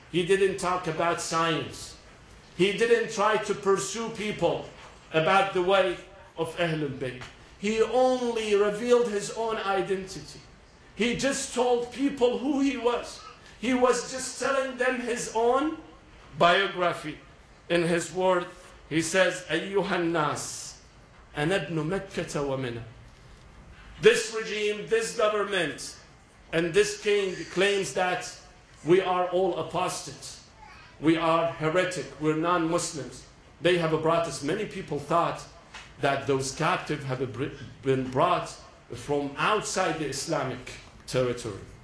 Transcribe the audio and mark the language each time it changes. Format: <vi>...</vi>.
<en>He didn't talk about science. He didn't try to pursue people about the way of Ahlul Bayt. He only revealed his own identity. He just told people who he was. He was just telling them his own biography. In his word, he says,</en> <ar>أيها الناس أنا ابن مكة ومنى.</ar> <en>This regime, this government, and this king claims that we are all apostates. We are heretic. We're non-Muslims. They have brought us. Many people thought that those captives have been brought from outside the Islamic territory.</en>